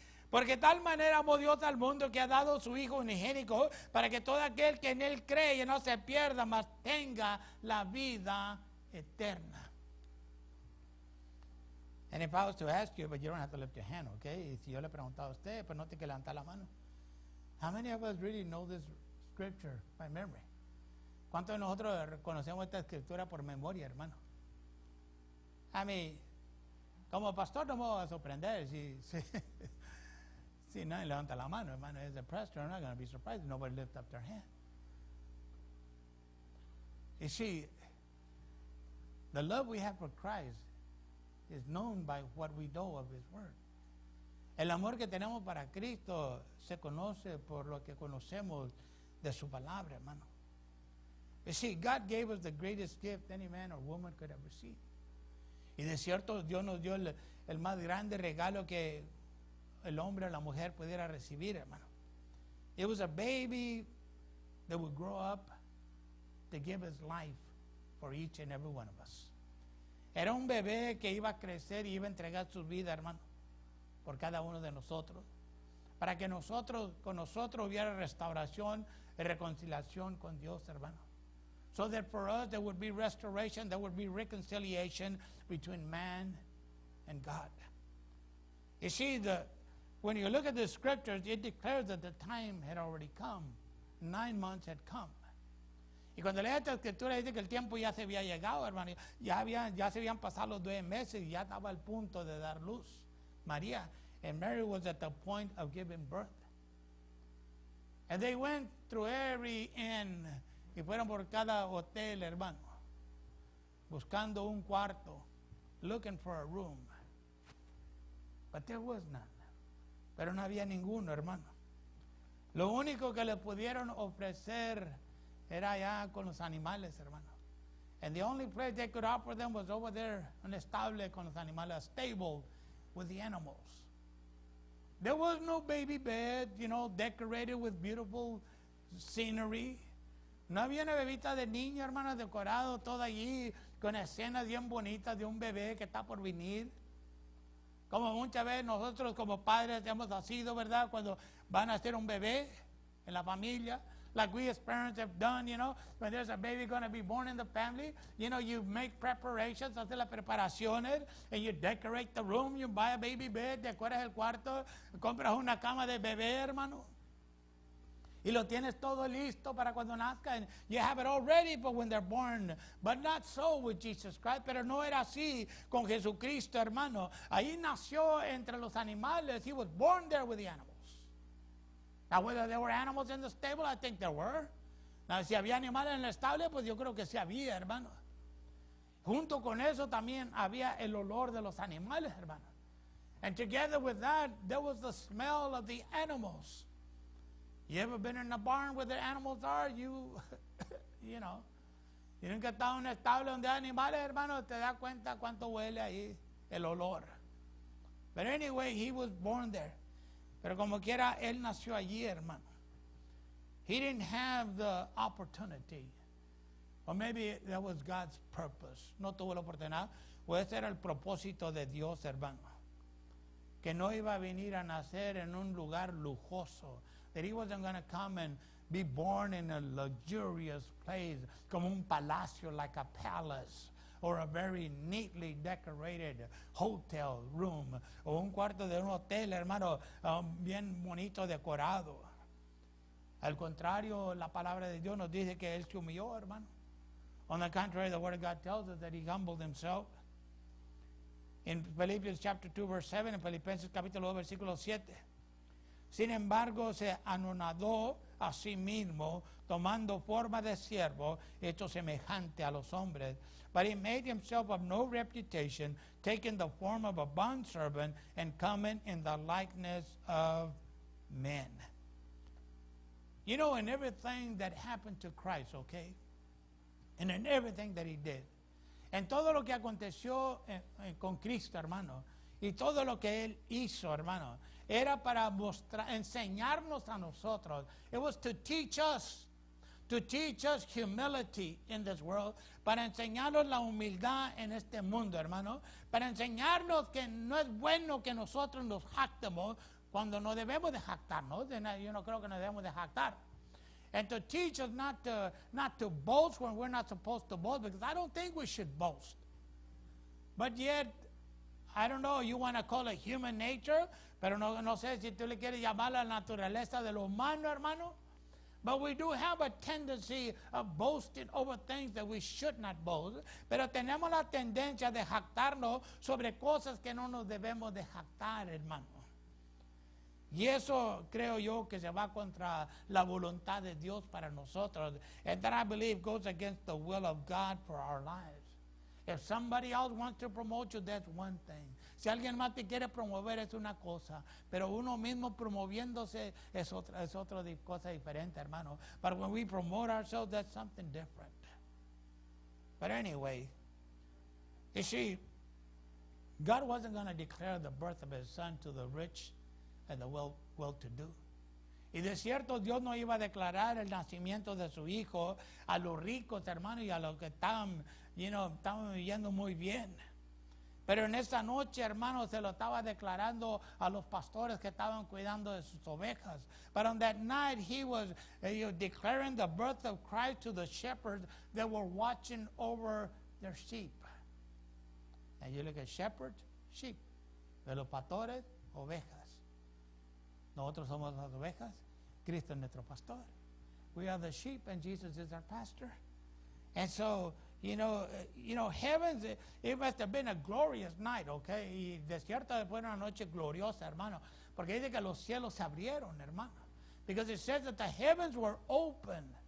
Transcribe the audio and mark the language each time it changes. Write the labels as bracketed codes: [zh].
[es] Porque tal manera amó Dios al mundo que ha dado su Hijo unigénito para que todo aquel que en él cree no se pierda, mas tenga la vida eterna. [en] And if I was to ask you, but you don't have to lift your hand, okay? [es] Y si yo le he preguntado a usted, pues no tiene que levantar la mano. [en] How many of us really know this scripture by memory? [es] ¿Cuántos de nosotros conocemos esta escritura por memoria, hermano? [en] I mean, [es] como pastor no me voy a sorprender si nadie levanta la mano, hermano. [en] As a pastor, I'm not going to be surprised if nobody lifts up their hand. You see, the love we have for Christ is known by what we know of his word. [es] El amor que tenemos para Cristo se conoce por lo que conocemos de su palabra, hermano. [en] You see, God gave us the greatest gift any man or woman could ever receive. [es] Y de cierto, Dios nos dio el más grande regalo que el hombre o la mujer pudiera recibir, hermano. [en] It was a baby that would grow up to give his life for each and every one of us. [es] Era un bebé que iba a crecer y iba a entregar su vida, hermano, por cada uno de nosotros. Para que nosotros, con nosotros hubiera restauración y reconciliación con Dios, hermano. [en] So that for us there would be restoration, there would be reconciliation between man and God. You see, when you look at the scriptures, it declares that the time had already come. 9 months had come. [es] Y cuando lees esta escritura, dice que el tiempo ya se había llegado, hermano. Ya se habían pasado los 2 meses y ya estaba al punto de dar luz. María. [en] And Mary was at the point of giving birth. And they went through every inn. [es] Y fueron por cada hotel, hermano, buscando un cuarto, [en] looking for a room. But there was none. [es] Pero no había ninguno, hermano. Lo único que le pudieron ofrecer era allá con los animales, hermano. [en] And the only place they could offer them was over there, [es] un estable con los animales, [en] a stable with the animals. There was no baby bed, you know, decorated with beautiful scenery. [es] No había una bebita de niño, hermano, decorado todo allí con escenas bien bonitas de un bebé que está por venir. Como muchas veces nosotros como padres hemos sido, ¿verdad? Cuando van a hacer un bebé en la familia. [en] Like we as parents have done, you know, when there's a baby going to be born in the family, you know, you make preparations, [es] hace las preparaciones, [en] and you decorate the room, you buy a baby bed, [es] decoras el cuarto, compras una cama de bebé, hermano. Y lo tienes todo listo para cuando nazca. [en] And you have it all ready for when they're born. But not so with Jesus Christ. [es] Pero no era así con Jesucristo, hermano. Ahí nació entre los animales. [en] He was born there with the animals. Now, whether there were animals in the stable, I think there were. [es] Now, si había animales en el estable, pues yo creo que sí había, hermano. Junto con eso también había el olor de los animales, hermano. [en] And together with that, there was the smell of the animals. You ever been in a barn where the animals are? You know. You [es] nunca estado en un establo donde hay animales, hermano. Te das cuenta cuánto huele ahí el olor. [en] But anyway, he was born there. [es] Pero como quiera, él nació allí, hermano. [en] He didn't have the opportunity. Or maybe that was God's purpose. [es] No tuvo la oportunidad. O ese era el propósito de Dios, hermano. Que no iba a venir a nacer en un lugar lujoso. [en] That he wasn't going to come and be born in a luxurious place, [es] como un palacio, [en] like a palace, or a very neatly decorated hotel room, [es] o un cuarto de un hotel, hermano, bien bonito decorado. Al contrario, la palabra de Dios nos dice que él se humilló, hermano. [en] On the contrary, the word of God tells us that he humbled himself. In Philippians chapter 2, verse 7, [es] en Filipenses capítulo 2, versículo 7, sin embargo, se anonadó a sí mismo, tomando forma de siervo, hecho semejante a los hombres. [en] But he made himself of no reputation, taking the form of a bondservant and coming in the likeness of men. You know, in everything that happened to Christ, okay? And in everything that he did. [es] En todo lo que aconteció con Cristo, hermano. Y todo lo que él hizo, hermano. Era para mostrar, enseñarnos a nosotros. [en] It was to teach us humility in this world, [es] para enseñarnos la humildad en este mundo, hermano, para enseñarnos que no es bueno que nosotros nos jactemos cuando no debemos de jactarnos, yo no creo que nos debemos de jactar. [en] And to teach us not to boast when we're not supposed to boast, because I don't think we should boast. But yet, I don't know, you want to call it human nature, [es] pero no sé si tú le quieres llamar la naturaleza de lo humano, hermano. [en] But we do have a tendency of boasting over things that we should not boast. [es] Pero tenemos la tendencia de jactarnos sobre cosas que no nos debemos de jactar, hermano. Y eso creo yo que se va contra la voluntad de Dios para nosotros. [en] And that I believe goes against the will of God for our lives. If somebody else wants to promote you, that's one thing. [es] Si alguien más te quiere promover es una cosa, pero uno mismo promoviéndose es otra cosa diferente, hermano. [en] But when we promote ourselves, that's something different. But anyway, you see, God wasn't going to declare the birth of his son to the rich and the well-to-do. [es] Y de cierto, Dios no iba a declarar el nacimiento de su hijo a los ricos, hermano, y a los que estaban, [en] you know, [es] estaban viviendo muy bien. Pero en esa noche, hermano, se lo estaba declarando a los pastores que estaban cuidando de sus ovejas. [en] But on that night, he was declaring the birth of Christ to the shepherds that were watching over their sheep. And you look at shepherds, sheep. [es] De los pastores, ovejas. Nosotros somos las ovejas. Cristo es nuestro pastor. [en] We are the sheep and Jesus is our pastor. And so, You know, heavens, it must have been a glorious night, okay? [es] Y de cierto fue una noche gloriosa, hermano. Porque dice que los cielos se abrieron, hermano. [en] Because it says that the heavens were open.